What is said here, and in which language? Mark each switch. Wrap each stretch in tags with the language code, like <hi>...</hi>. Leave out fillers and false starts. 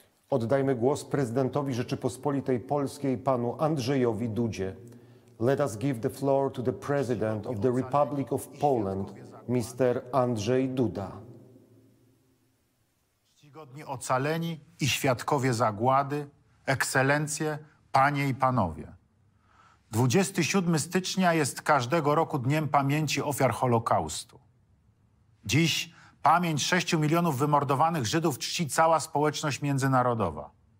<pl>Oddajmy głos prezydentowi Rzeczypospolitej Polskiej, panu Andrzejowi Dudzie.</pl> <en>Let us give the floor to the president of the Republic of Poland, Mr. Andrzej Duda.</en> <pl>Czcigodni ocaleni i świadkowie zagłady, ekscelencje, panie i panowie. 27 stycznia jest każdego roku dniem pamięci ofiar Holokaustu. Dziś pamięć 6 milionów wymordowanych Żydów czci cała społeczność międzynarodowa.</pl>